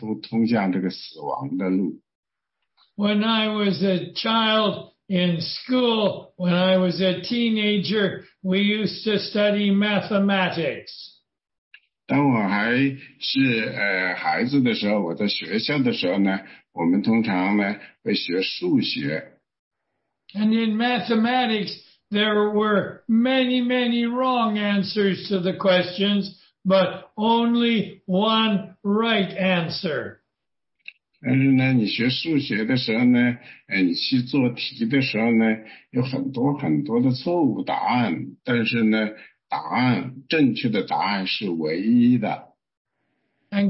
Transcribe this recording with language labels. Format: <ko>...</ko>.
<zh>这里呢，有另一个选择，那个选择就是这条窄路，或者说是这个窄的门，你们要从这里面进去。所以任何人呢，在宽路上的人呢，他们都有一个选择，他们可以选择呢，进这条，进这个窄门，上这个窄路，因为这是通向天堂的路。那么说，在这种宽路上呢，所谓的路呢，都是大家通向这个死亡的路。</zh> <en>When I was a child in school, when I was a teenager, we used to study mathematics.</en> <zh>当我还是孩子的时候，我在学校的时候呢，我们通常呢会学数学。</zh> <en>And in mathematics, there were many, many wrong answers to the questions, but only one right answer.</en> <zh>但是呢，你学数学的时候呢，你去做题的时候呢，有很多很多的错误答案。但是呢，答案正确的答案是唯一的。</zh> <en>And</en>